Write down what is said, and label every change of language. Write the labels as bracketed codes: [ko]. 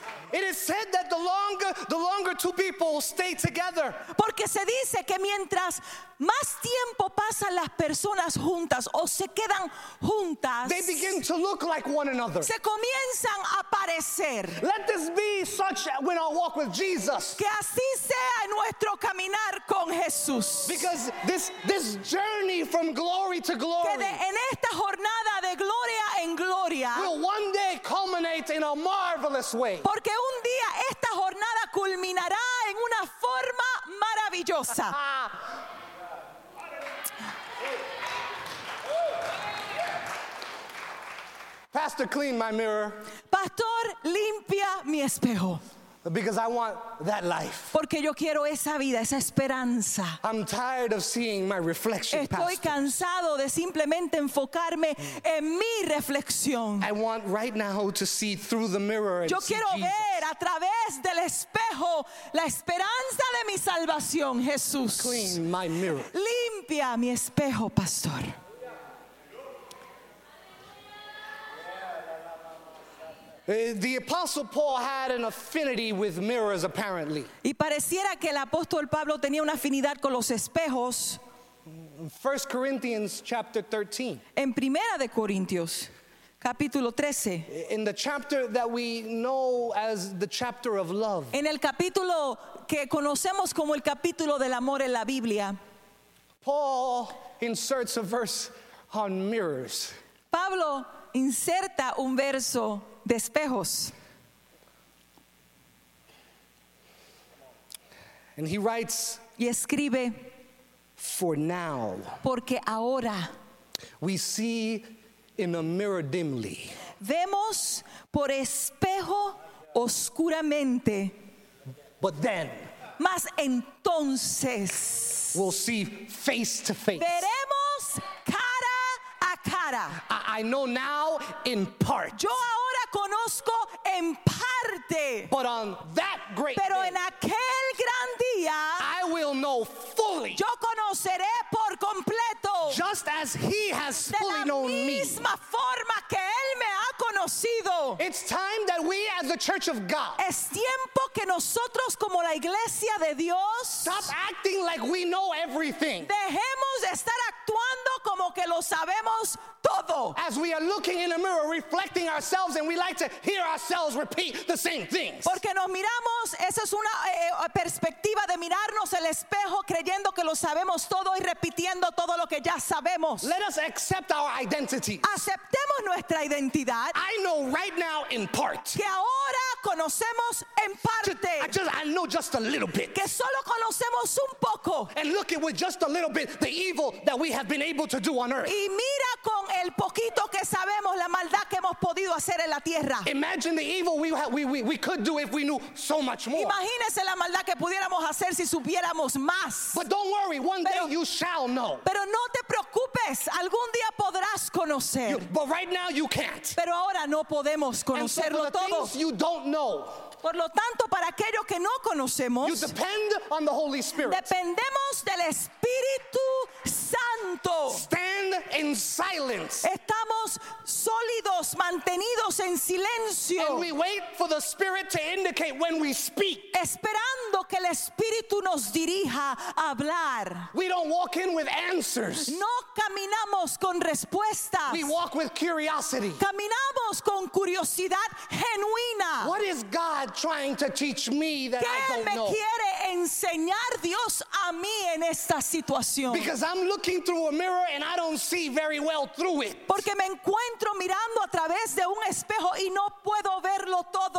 [en] It is said that the longer two people stay together. [es] Porque se dice que mientras más tiempo pasan las personas juntas o se quedan juntas, [en] they begin to look like one another. [es] Se comienzan a parecer. [en] Let this be such when our walk with Jesus. [es] Que así sea nuestro caminar con Jesús. [en] Because this journey from glory to glory. [es] Que en esta jornada de gloria en gloria. [en] Will one day culminate in a marvelous way. [es] Porque un día esta jornada culminará en una forma maravillosa. [en] Pastor, clean my mirror. [es] Pastor, limpia mi espejo. [en] Because I want that life. [es] Porque yo quiero esa vida, esa esperanza. [en] I'm tired of seeing my reflection, [es] Estoy [en] Pastor. [es] Estoy cansado de simplemente enfocarme en mi reflexión. [en] I want right now to see through the mirror and [es] yo [en] see [es] quiero [en] Jesus. [es] Ver a través del espejo la esperanza de mi salvación, Jesús. [en] Clean my mirror. [es] Limpia mi espejo, Pastor. [en] The Apostle Paul had an affinity with mirrors, apparently. [es] Y pareciera que el apóstol Pablo tenía una afinidad con los espejos. [en] 1 Corinthians chapter 13. [es] En Primera de Corintios, capítulo 13. [en] In the chapter that we know as the chapter of love. [es] En el capítulo que conocemos como el capítulo del amor en la Biblia. [en] Paul inserts a verse on mirrors. [es] Pablo inserta un verso de espejos. [en] And he writes, [es] y escribe, [en] "For now, [es] porque ahora, [en] we see in a mirror dimly, [es] vemos por espejo oscuramente, [en] but then, [es] Mas entonces, [en] we'll see face to face. [es] Veremos cara a cara. [en] I know now in part. [es] Yo ahora conozco en parte. [en] But on that great day, [es] pero en aquel gran día, [en] I will know fully. [es] Yo conoceré por completo. [en] Just as he has fully known me. [es] De la misma forma que él me ha conocido. [en] It's time that we as the church of God. [es] Es tiempo que nosotros como la iglesia de Dios. [en] Stop acting like we know everything. [es] Dejemos de estar actuando como que lo sabemos todo. [en] As we are looking in a mirror, reflecting ourselves, and we like to hear ourselves repeat the same things. [es] Porque nos miramos, esa es una perspectiva de mirarnos el espejo, creyendo que lo sabemos todo y repitiendo todo lo que ya sabemos. [en] Let us accept our identity. [es] Aceptemos nuestra identidad. [en] I know right now in part. [es] Que ahora conocemos en parte. [en] I know just a little bit. [es] Que solo conocemos un poco. [en] And look at with just a little bit the evil that we have been able to do on earth. [es] Y mira con el poquito que sabemos la maldad que hemos podido hacer en la tierra. [en] Imagine the evil we could do if we knew so much more. [es] Imagínese la maldad que pudiéramos hacer si supiéramos más. [en] But don't worry, one day you shall know. [es] Pero no te preocupes, algún día podrás conocer. [en] But right now you can't. [es] Pero ahora no podemos conocerlo todo. [en] Things you don't know. [es] Por lo tanto, para aquello que no conocemos, [en] you depend on the Holy Spirit. [es] Dependemos del Espíritu Santo. [en] Stand in silence. [es] Estamos sólidos, mantenidos en silencio. [en] And we wait for the Spirit to indicate when we speak. [es] Esperando que el Espíritu nos dirija a hablar. [en] We don't walk in with answers. [es] No caminamos con respuestas. [en] We walk with curiosity. [es] Caminamos con curiosidad genuina. [en] What is God trying to teach me that [es] ¿Qué [en] I don't [es] me [en] know? [es] Quiere enseñar Dios a mí en esta situación? [en] Because I'm looking through a mirror and I don't see very well through it. [es] Porque me encuentro mirando a través de un espejo y no puedo verlo todo.